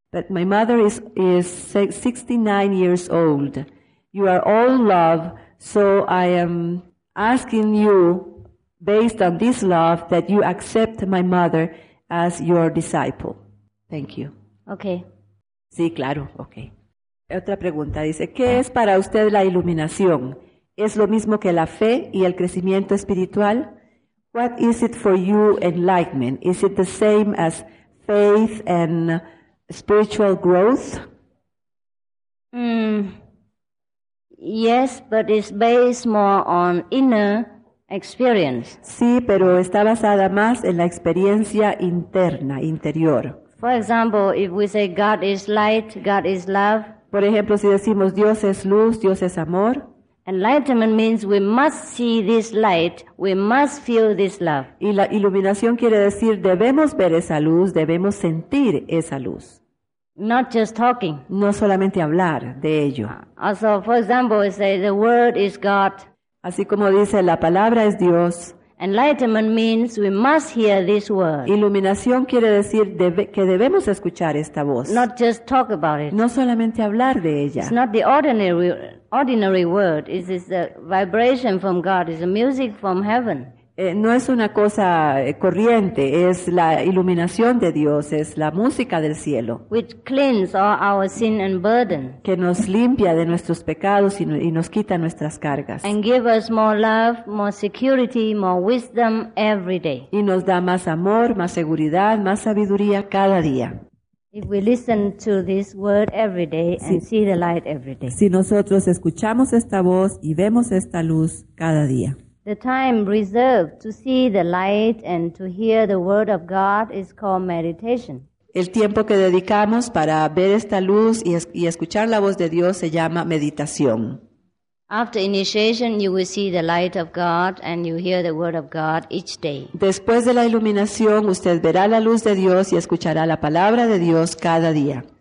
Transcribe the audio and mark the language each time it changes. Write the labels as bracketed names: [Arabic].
[English] But my mother is 69 years old. You are all love, so I am asking you, based on this love, that you accept my mother as your disciple. Thank you. Okay. [Spanish] Sí, claro, okay. Otra pregunta dice, ¿qué es para usted la iluminación? ¿Es lo mismo que la fe y el crecimiento espiritual? [English] What is it for you, enlightenment? Is it the same as faith and spiritual growth? Yes, but it's based more on inner experience. [Spanish] Sí, pero está basada más en la experiencia interna, interior. [English] For example, if we say God is light, God is love. [Spanish] Por ejemplo, si decimos Dios es luz, Dios es amor. [English] Enlightenment means we must see this light, we must feel this love. [Spanish] Y la iluminación quiere decir debemos ver esa luz, debemos sentir esa luz. [English] Not just talking. [Spanish] No solamente hablar de ello. [English] Also, for example, we say the word is God. [Spanish] Así como dice la palabra es Dios. [English] Enlightenment means we must hear this word. [Spanish] Iluminación quiere decir que debemos escuchar esta voz. [English] Not just talk about it. [Spanish] No solamente hablar de ella. [English] It's not the ordinary word. It's a vibration from God. It's a music from heaven. [Spanish] No es una cosa corriente. Es la iluminación de Dios. Es la música del cielo. [English] Which cleans all our sin and burden. [Spanish] Que nos limpia de nuestros pecados y nos quita nuestras cargas. [English] And give us more love, more security, more wisdom every day. [Spanish] Y nos da más amor, más seguridad, más sabiduría cada día. [English] If we listen to this word every day and see the light every day. [Spanish] Si nosotros escuchamos esta voz y vemos esta luz cada día. [English] The time reserved to see the light and to hear the word of God is called meditation. [Spanish] El tiempo que dedicamos para ver esta luz y escuchar la voz de Dios se llama meditación. [English] After initiation, you will see the light of God and you hear the word of God each day. [Spanish] Después de la iluminación, usted verá la luz de Dios y escuchará la palabra de Dios cada día.